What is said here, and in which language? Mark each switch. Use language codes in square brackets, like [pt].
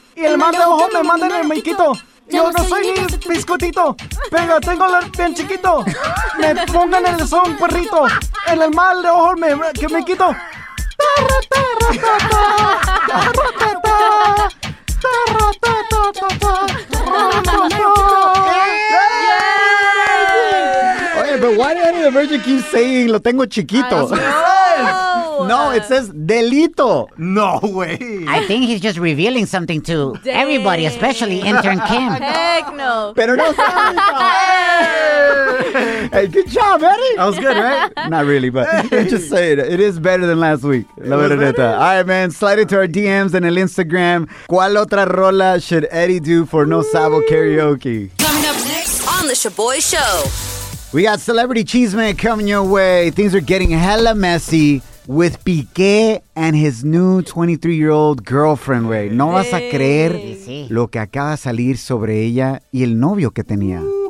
[es] Y el man de ojo me manda en el miquito. Yo no soy ni biscotito, pero tengo el bien chiquito. Me pongan en el son perrito, en el mal de ojo que me quito. [en] Oye, but why did the Virgin keep saying [es] lo tengo chiquito? [en] No, it says delito. No way. I think he's just revealing something to everybody, especially intern Kim. Heck no. [es] Pero no está. [en] Hey, good job, Eddie. That was good, right? Not really, but just say it. It is better than last week. [es] La verdad. [en] All right, man. Slide it to our DMs and an Instagram. [es] ¿Cuál otra rola [en] should Eddie do for No Sabo Karaoke? Coming up next on The Shaboy Show. We got Celebrity Cheeseman coming your way. Things are getting hella messy with Piqué and his new 23-year-old girlfriend, güey. [es] No vas a creer lo que acaba de salir sobre ella y el novio que tenía.